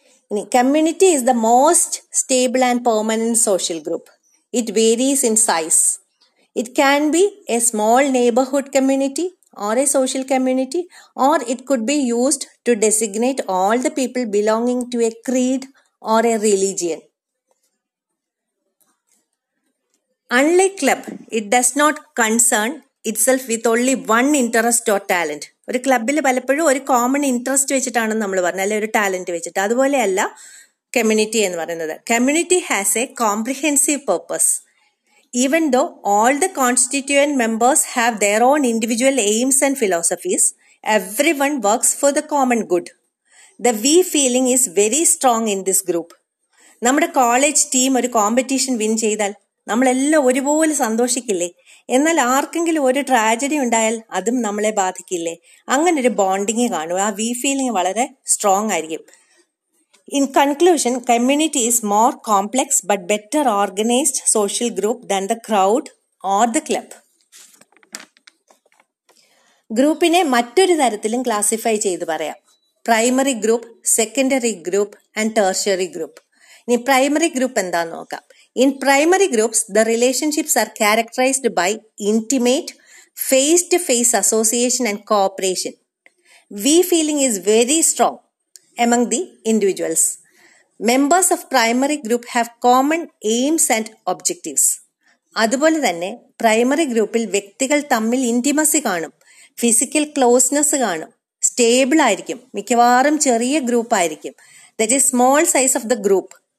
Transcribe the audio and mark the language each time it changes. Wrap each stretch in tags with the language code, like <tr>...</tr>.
<en>ഇനി community is the most stable and permanent social group. It varies in size. It can be a small neighbourhood community or a social community or it could be used to designate all the people belonging to a creed or a religion. Unlike club, it does not concern itself with only one interest or talent.</en> <ml>ഒരു ക്ലബിൽ പലപ്പോഴും ഒരു common interest വെച്ചിട്ടാണെന്ന് നമ്മൾ പറഞ്ഞത്, അല്ലെങ്കിൽ ഒരു talent വെച്ചിട്ട്. അതുപോലെയല്ല കമ്മ്യൂണിറ്റി എന്ന് പറയുന്നത്.</ml> <en>Community has a comprehensive purpose. Even though all the constituent members have their own individual aims and philosophies, every one works for the common good. The we feeling is very strong in this group.</en> <ml>നമ്മുടെ college team ഒരു competition win ചെയ്താൽ നമ്മളെല്ലാം ഒരുപോലെ സന്തോഷിക്കില്ലേ? എന്നാൽ ആർക്കെങ്കിലും ഒരു tragedy ഉണ്ടായാൽ അതും നമ്മളെ ബാധിക്കില്ലേ? അങ്ങനെ ഒരു ബോണ്ടിങ് കാണും. ആ വി ഫീലിംഗ് വളരെ സ്ട്രോങ് ആയിരിക്കും.</ml> <en>In conclusion, community is more complex but better organised social group than the crowd or the club.</en> <ml>ഗ്രൂപ്പിനെ മറ്റൊരു തരത്തിലും ക്ലാസിഫൈ ചെയ്ത് പറയാം, primary group, secondary group and tertiary group. ഇനി പ്രൈമറി ഗ്രൂപ്പ് എന്താന്ന് നോക്കാം.</ml> <en>In primary groups, the relationships are characterized by intimate, face-to-face association and cooperation. We feeling is very strong among the individuals. Members of primary group have common aims and objectives.</en> <ml>അതുപോലെ തന്നെ primary ഗ്രൂപ്പിൽ വ്യക്തികൾ തമ്മിൽ intimacy കാണും, physical closeness കാണും, stable ആയിരിക്കും. മിക്കവാറും ചെറിയ ഗ്രൂപ്പായിരിക്കും,</ml> <en>That is small size of the group.</en>